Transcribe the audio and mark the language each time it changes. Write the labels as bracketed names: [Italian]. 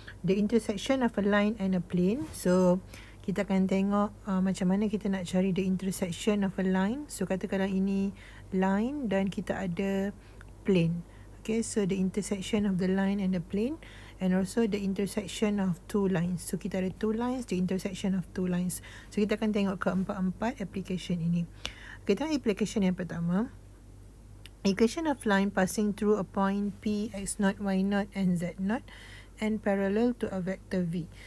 [English] The intersection of a line and a plane. [Malay] So, kita akan tengok macam mana kita nak cari [English] the intersection of a line. [Malay] So, katakanlah ini line dan kita ada plane. [English] Okay, so the intersection of the line and the plane. And also the intersection of two lines. So, [Malay] kita ada [English] two lines, the intersection of two lines. [Malay] So, kita akan tengok keempat-empat application ini. Kita tengok application yang pertama. [English] Equation of line passing through a point P, X0, Y0 and Z0 and parallel to a vector V.